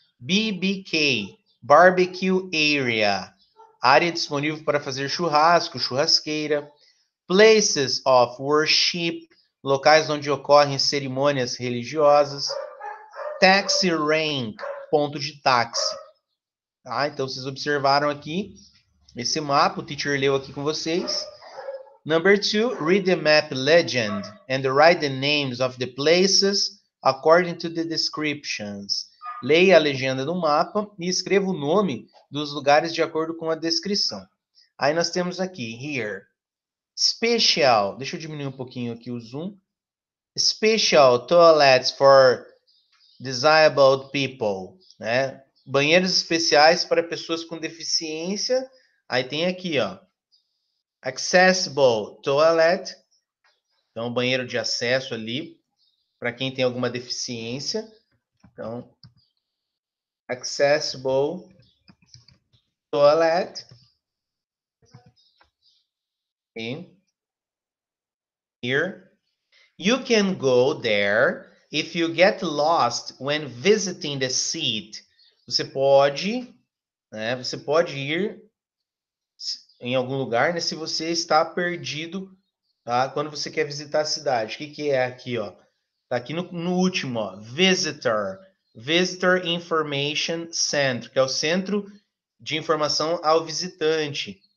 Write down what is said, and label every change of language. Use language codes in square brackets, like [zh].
[en] BBK, barbecue area, [pt] área disponível para fazer churrasco, churrasqueira. [en] Places of worship, [pt] locais onde ocorrem cerimônias religiosas. [en] Taxi rank, [pt] ponto de táxi. Tá? Então, vocês observaram aqui esse mapa, o teacher leu aqui com vocês. [en] Number two, read the map legend and write the names of the places according to the descriptions. [pt] Leia a legenda do mapa e escreva o nome dos lugares de acordo com a descrição. Aí nós temos aqui, here. Special, deixa eu diminuir um pouquinho aqui o zoom. [en] Special toilets for disabled people, né? [pt] Banheiros especiais para pessoas com deficiência. Aí tem aqui, ó. [en] Accessible toilet. [pt] Então, banheiro de acesso ali para quem tem alguma deficiência. Então, [en] accessible toilet. Okay. Here, You can go there if you get lost when visiting the seat. [pt] Você pode, né? Você pode ir em algum lugar, né? Se você está perdido, tá? Quando você quer visitar a cidade. O que, que é aqui, ó? Tá aqui no último, ó. [en] Visitor. [pt] Visitor Information Center, que é o centro de informação ao visitante.